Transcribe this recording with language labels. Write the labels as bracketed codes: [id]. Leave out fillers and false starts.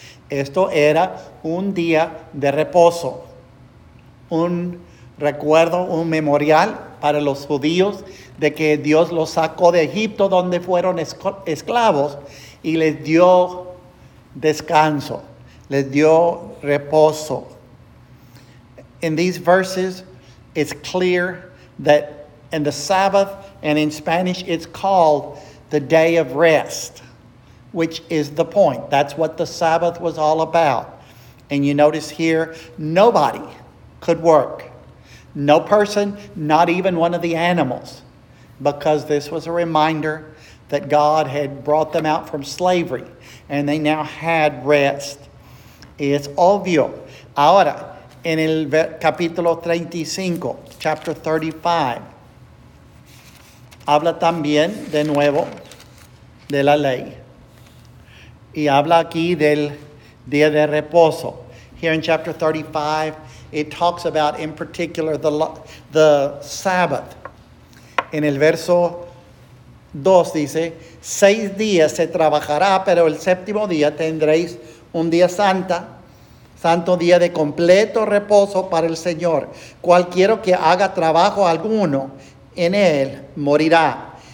[es] Esto era un día de reposo, un recuerdo, un memorial para los judíos de que Dios los sacó de Egipto, donde fueron esclavos, y les dio descanso, les dio reposo. [en] In these verses, it's clear that in the Sabbath, and in Spanish, it's called the day of rest, which is the point. That's what the Sabbath was all about. And you notice here, nobody could work. No person, not even one of the animals, because this was a reminder that God had brought them out from slavery and they now had rest. It's obvio. [es] Ahora, en el capítulo 35, [en] chapter 35, [es] habla también de nuevo de la ley. Y habla aquí del día de reposo. [en] Here in chapter 35, it talks about, in particular, the Sabbath. [es] En el verso 2 dice, 6 días se trabajará, pero el séptimo día tendréis un día santo día de completo reposo para el Señor. Cualquiera que haga trabajo alguno en él morirá.